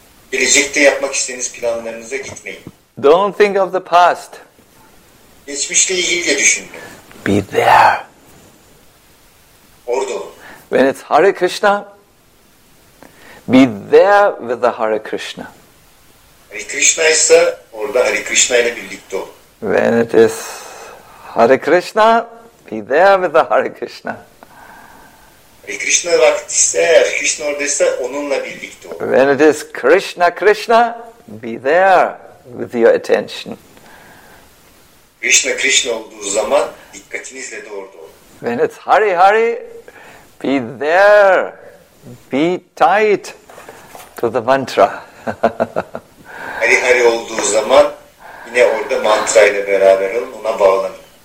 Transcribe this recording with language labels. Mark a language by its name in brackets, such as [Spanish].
[Turkish] Gelecekte yapmak istediğiniz planlarınıza gitmeyin. [English] Don't think of the past. [Turkish] Geçmişle ilgili de düşünmeyin. [English] Be there. [Turkish] Orada olun. [English] When it's Hare Krishna, be there with the Hare Krishna. [Turkish] Hare Krishna ise orada Hare Krishna ile birlikte olun. [English] When it is Hare Krishna, be there with the Hare Krishna. [Turkish] Hare Krishna vakti ise, Hare Krishna oradaysa onunla birlikte olun. [English] When it is Krishna Krishna, be there with your attention. [Turkish] Krishna Krishna olduğu zaman dikkatinizle de orada olun. [English] When it's Hare Hare, be there, be tight to the mantra. [Turkish] Hare Hare olduğu zaman yine orada mantrayla beraber olun, ona bağlanın.